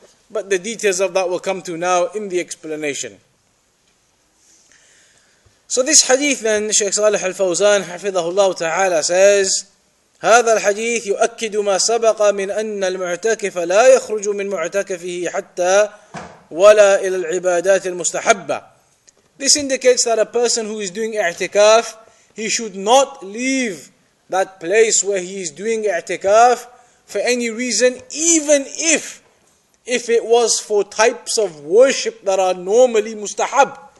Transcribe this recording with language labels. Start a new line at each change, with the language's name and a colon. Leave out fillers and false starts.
English: But the details of that will come to now in the explanation. So this hadith then, Shaykh Salih Al-Fawzan hafidhahullah ta'ala says,
Arabic: هذا الحديث يؤكد ما سبق من أن المعتكف لا يخرج من معتكفه حتى ولا إلى العبادات المستحبة.
English: This indicates that a person who is doing i'tikaf, he should not leave that place where he is doing i'tikaf for any reason, even if it was for types of worship that are normally mustahab.